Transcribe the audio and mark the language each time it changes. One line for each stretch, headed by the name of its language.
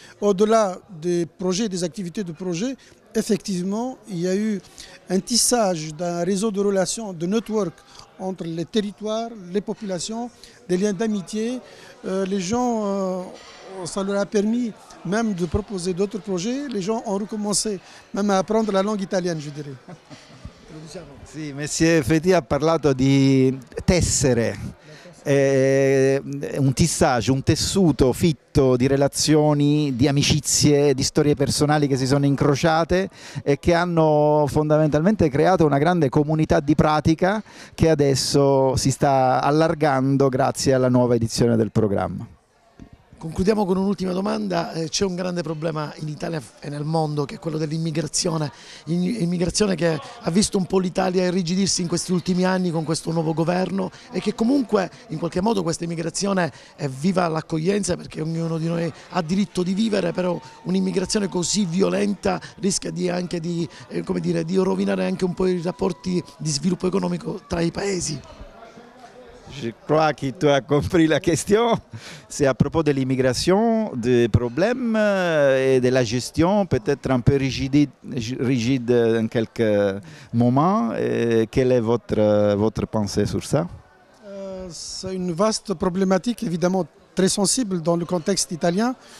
French: Au-delà des projets, des activités de projet, effectivement, il y a eu un tissage d'un réseau de relations, de network entre les territoires, les populations, des liens d'amitié. Les gens, ça leur a permis même de proposer d'autres projets. Les gens ont recommencé même à apprendre la langue italienne, je dirais.
Italian: Sì, Monsieur Fethi ha parlato di tessere, un tissage, un tessuto fitto di relazioni, di amicizie, di storie personali che si sono incrociate e che hanno fondamentalmente creato una grande comunità di pratica che adesso si sta allargando grazie alla nuova edizione del programma. Concludiamo con un'ultima domanda. C'è un grande problema in Italia e nel mondo, che è quello dell'immigrazione. Immigrazione che ha visto un po' l'Italia irrigidirsi in questi ultimi anni con questo nuovo governo, e che comunque in qualche modo questa immigrazione è viva l'accoglienza, perché ognuno di noi ha diritto di vivere, però un'immigrazione così violenta rischia di rovinare anche un po' i rapporti di sviluppo economico tra i paesi.
French: Je crois que tu as compris la question. C'est à propos de l'immigration, des problèmes et de la gestion, peut-être un peu rigide en quelques moments. Et quelle est votre pensée sur ça? C'est une vaste problématique, évidemment très sensible dans le contexte italien.